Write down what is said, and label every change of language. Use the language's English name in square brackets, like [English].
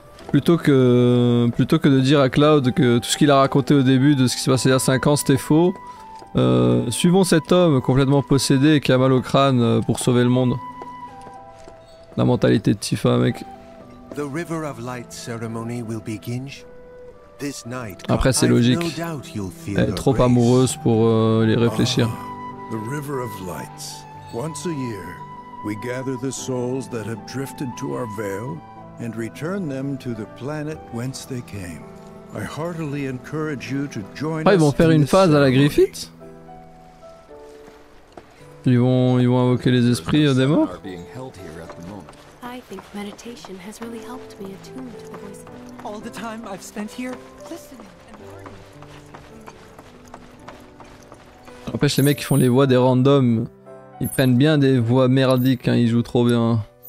[French] Plutôt que de dire à Cloud que tout ce qu'il a raconté au début de ce qui s'est passé il y a 5 ans c'était faux, suivons cet homme complètement possédé et qui a mal au crâne pour sauver le monde. La mentalité de Tifa, mec. [English] The River of Light ceremony will begin. This night, [French] après c'est logique, elle est trop amoureuse pour les réfléchir. [English] The River of Lights. Once a year, we gather the souls that have drifted to our veil and return them to the planet whence they came. I heartily encourage you to join us. [French] Ils vont faire une phase à la Griffith. Ils vont invoquer les esprits des morts. [English] I think meditation has really helped me attune to the voice. All the time I've spent here listening and learning. [French] N'empêche, les mecs qui font les voix des randoms, ils prennent bien des voix merdiques, hein, ils jouent trop bien.